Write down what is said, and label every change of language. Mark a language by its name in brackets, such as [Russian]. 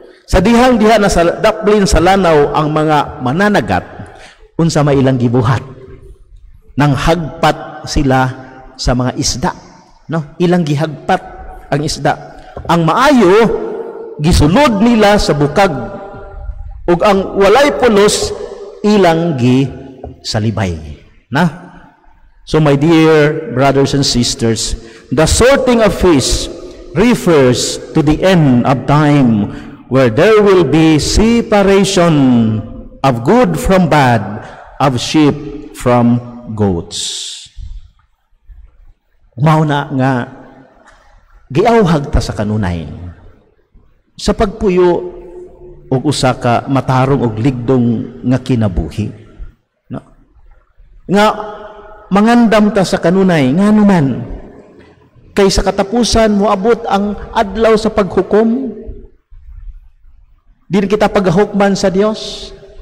[Cebuano] Sa dihang diha na sa Dublin sa lanaw ang mga mananagat, unsa may ilang gibuhat nang hagpat sila sa mga isda, no? Ilang gihagpat ang isda, ang maayo gisulod nila sa bukag, ug ang walay pulos ilang gisalibay, na? [English] So my dear brothers and sisters, the sorting of fish refers to the end of time where there will be separation of good from bad, of sheep from goats. [Cebuano] Mao na nga giawhag ta sa kanunay sa pagpuyo og usa ka matarong og ligdong nga kinabuhi, no? Nga mangandam ta sa kanunay ngano man kay sa katapusan moabot ang adlaw sa paghukom, din kita paghukman sa Dios.